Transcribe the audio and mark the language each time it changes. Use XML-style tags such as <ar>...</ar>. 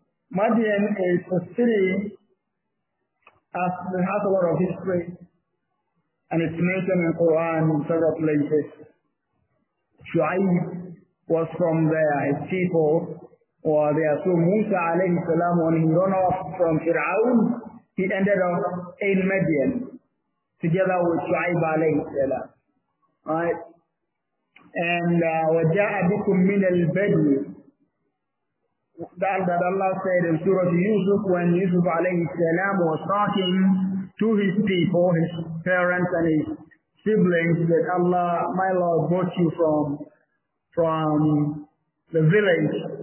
<en>Madian is a city that has a lot of history, and it's mentioned in Quran in several places. Shu'aib was from there, his people were there. So Musa alayhi salam, when he ran off from Fir'aun, he ended up in Madian together with Shu'aib alayhi salam. Right?</en> <ar>And وَجَاءَ بِكُم مِّنَ الْبَدْوِ.</ar> <en>That Allah said in Surah Yusuf, when Yusuf alayhi salam was talking to his people, his parents and his siblings, that Allah, my Lord, brought you from the village.</en>